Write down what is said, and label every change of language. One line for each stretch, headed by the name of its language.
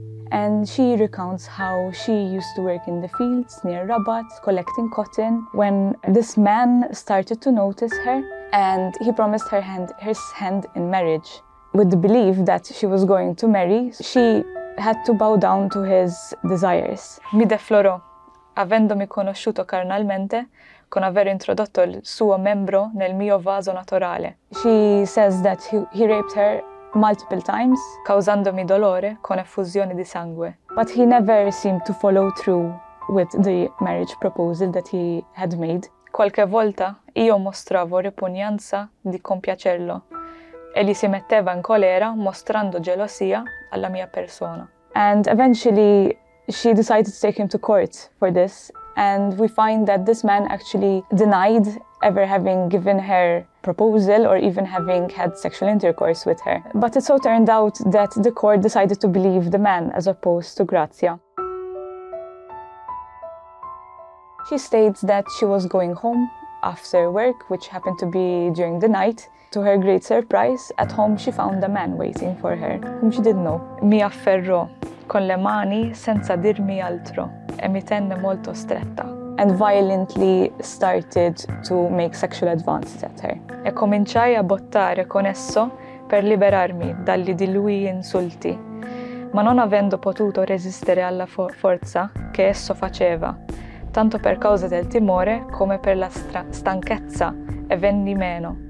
English: And she recounts how she used to work in the fields near Rabat, collecting cotton, when this man started to notice her, and he promised her his hand in marriage. With the belief that she was going to marry, she had to bow down to his desires.
Italian: Mi defloro, avendomi conosciuto carnalmente, con aver introdotto il suo membro nel mio vaso naturale.
English: She says that he raped her multiple times,
Italian: causandomi dolore con effusione di sangue.
English: But he never seemed to follow through with the marriage proposal that he had made.
Italian: Qualche volta io mostravo ripugnanza di compiacerlo, e gli si metteva in colera mostrando gelosia alla mia persona.
English: And eventually she decided to take him to court for this, and we find that this man actually denied ever having given her proposal or even having had sexual intercourse with her. But it so turned out that the court decided to believe the man as opposed to Grazia. She states that she was going home after work, which happened to be during the night. To her great surprise, at home she found a man waiting for her, whom she didn't know.
Italian: Mi afferrò con le mani senza dirmi altro e mi tenne molto stretta.
English: And violently started to make sexual advances at her.
Italian: E cominciai a bottare con esso per liberarmi dagli di lui insulti, ma non avendo potuto resistere alla forza che esso faceva, tanto per causa del timore come per la stanchezza, e venni meno.